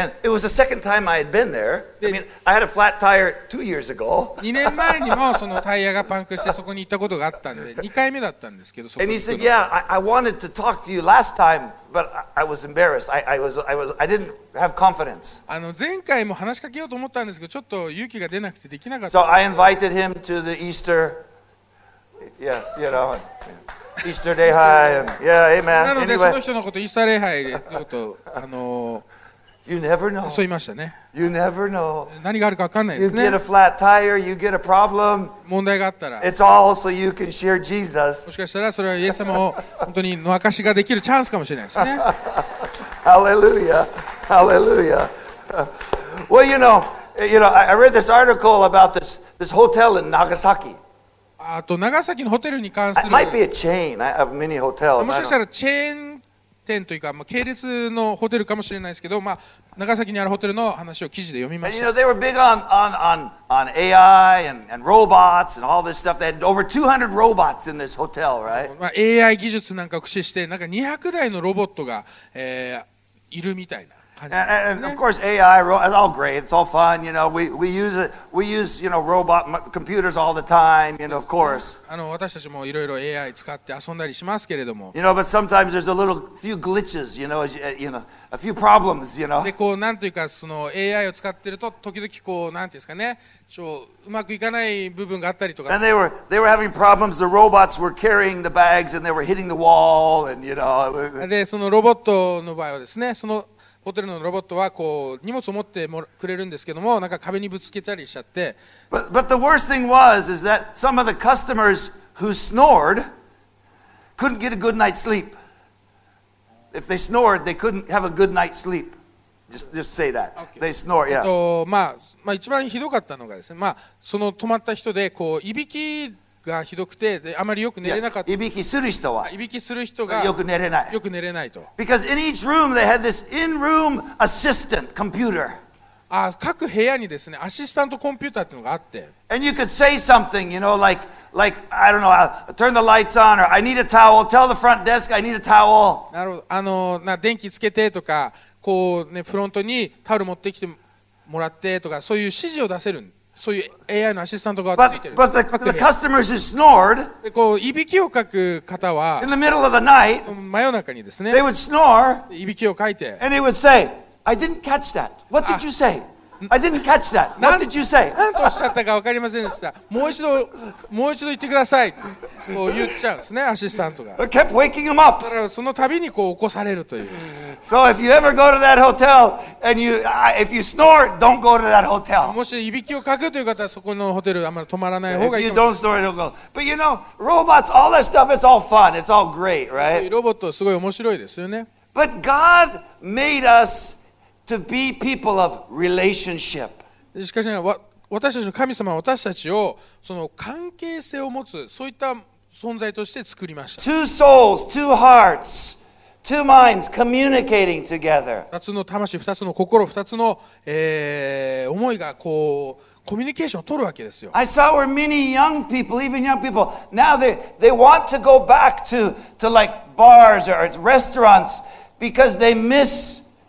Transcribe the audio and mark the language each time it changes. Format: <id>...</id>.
<en>And it was the second time I had been there. I mean, I had a flat tire 2 years ago.</en> <ja>2年前にもそのタイヤがパンクしてそこに行ったことがあったんで、2回目だったんですけど、そこに行ったの。</ja> <en>And he said, yeah, I wanted to talk to you last time, but I was embarrassed. I didn't have confidence.</en> <ja>あの前回も話しかけようと思ったんですけど、ちょっと勇気が出なくてできなかった。</ja> <en>So I invited him to the Easter, yeah, you know, yeah. Easter day high. Yeah, amen.</en> <ja>なので、</ja> <en>anyway.</en> <ja>その人のことイースター礼拝でちょっと</ja> <en>You never know.</en> <ja>誘いましたね。</ja> <en>You never know.</en> <ja>何があるか分かんないですね。</ja> <en>You get a flat tire, you get a problem.</en> <ja>問題があったら。</ja> <en>It's all so you can share Jesus.</en> <ja>もしかしたらそれはイエス様を本当にの証しができるチャンスかもしれないですね。</ja> <en>Hallelujah. Hallelujah. Well, you know, I read this article about this hotel in Nagasaki.</en> <ja>あと長崎のホテルに関する、</ja> <en>It might be a chain. I have many hotels.</en> <ja>もしかしたらチェーン店というか、まあ、系列のホテルかもしれないですけど、まあ、長崎にあるホテルの話を記事で読みました。</ja> <en>And, you know, they were big on AI and robots and all this stuff. They had over 200 robots in this hotel, right?</en> <ja>まあ、AI 技術なんかを駆使して、なんか200台のロボットが、いるみたいな。</ja> <en>And of course, AI is all great. It's all fun, you know. We use it. We use you know robot computers all the time, you know. Of course.</en> <ja>あの私たちもいろいろ AI 使って遊んだりしますけれども。</ja> <en>You know, but sometimes there's a little few glitches, you know, as you know, a few problems, you know.</en> <ja>でこうなんというかその AI を使ってると時々こうなんて言うんですかね、ちょうまくいかない部分があったりとか。</ja> <en>And they were having problems. The robots were carrying the bags and they were hitting the wall, and you know.</en> <ja>でそのロボットの場合はですね、そのホテルのロボットはこう荷物を持ってくれるんですけども、なんか壁にぶつけたりしちゃって。</ja> <en>But the worst thing was is that some of the customers who snored couldn't get a good night's sleep. If they snored, they couldn't have a good night's sleep. Just say that. Okay. They snore, yeah.</en> <ja>まあ、一番ひどかったのがですね、まあ、その泊まった人でこういびきがひどくて、であまりよく寝れなかった。 Yeah. いびきする人は、いびきする人がよく寝れない。よく寝れないと。</ja> <en>Because in each room they had this in-room assistant computer.</en> <ja>あ、各部屋にですね、アシスタントコンピューターっていうのがあって。</ja> <en>And you could say something, you know, like I don't know, turn the lights on or I need a towel. Tell the front desk I need a towel.</en> <ja>なるほど。電気つけてとか、こうね、フロントにタオル持ってきてもらってとか、そういう指示を出せる。そういう AI のアシスタントがついてる。</ja> <en>But the customers who snored,</en> <ja>こういびきをかく方は、</ja> <en>in the middle of the night,</en> <ja>真夜中にですね、</ja> <en>they would snore,</en> <ja>いびきをかいて、</ja> <en>and they would say,I didn't catch that. What did you say? I didn't catch that. What did you say?</en> <ja>何とおっしゃったか分かりませんでした。もう一度言ってください。こう言っちゃうんですね、アシスタントが。</ja> <en>I kept waking him up.</en> <ja>その度にこう起こされるという。</ja> <en>So if you ever go to that hotel and you, if you snore, don't go to that hotel.</en> <ja>もしいびきをかくという方はそこのホテルあまり泊まらない方がいい。</ja> <en>If you don't snore, don't go. But you know, robots, all that stuff, it's all fun. It's all great, right?</en> <ja>ロボットすごい面白いですよね。</ja> <en>But God made us. To be people of relationship.</en> <ja>しかし、ね、私たちの神様は私たちをその関係性を持つそういった存在として作りました。</ja> <en>Two souls, two hearts, two minds communicating together.</en> <ja>二つの魂、二つの心、二つの、思いがこうコミュニケーションを取るわけですよ。</ja> <en>I saw where many young people, even young people, now they want to go back to like bars or restaurants because they miss.</en>